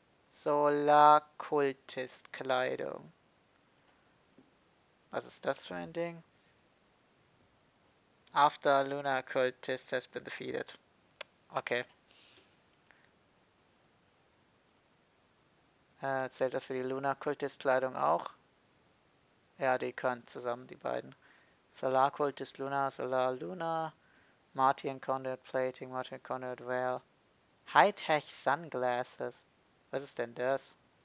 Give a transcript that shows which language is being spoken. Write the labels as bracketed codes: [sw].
[de] Solarkultist-Kleidung. Was ist das für ein Ding? [en] After Lunar Cultist has been defeated. [de] Okay. Zählt das für die Lunar Cultist-Kleidung auch? Ja, die können zusammen, die beiden. Solarkultist Lunar, Solar Lunar. Martian Conduit Plating, Martian Conduit Veil. High-Tech Sunglasses. Was ist denn das?